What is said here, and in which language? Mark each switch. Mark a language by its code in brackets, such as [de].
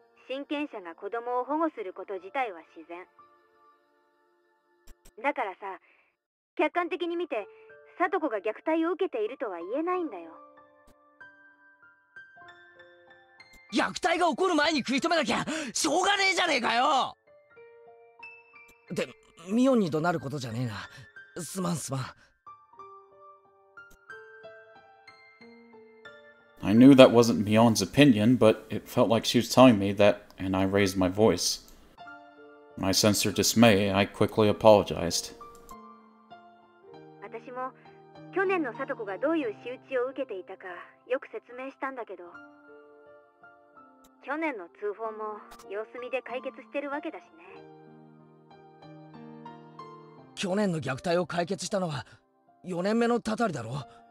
[ja] 親権者が子供を保護すること自体は自然だからさ、客観的に見てサトコが虐待を受けているとは言えないんだよ。虐待が起こる前に食い止めなきゃしょうがねえじゃねえかよ。で、ミオンに怒鳴ることじゃねえな。すまんすまん。 [en] I knew that wasn't Mion's opinion, but it felt like she was telling me that, and I raised my voice. When I sensed her dismay, I quickly apologized. [ja] 私も去年のサトコがどういういう仕打ちを受けていたかよく説明したんだけど、去年の通報も様子見で解決してるわけだしね。去年の虐待を解決したのは4年目のたたりだろ。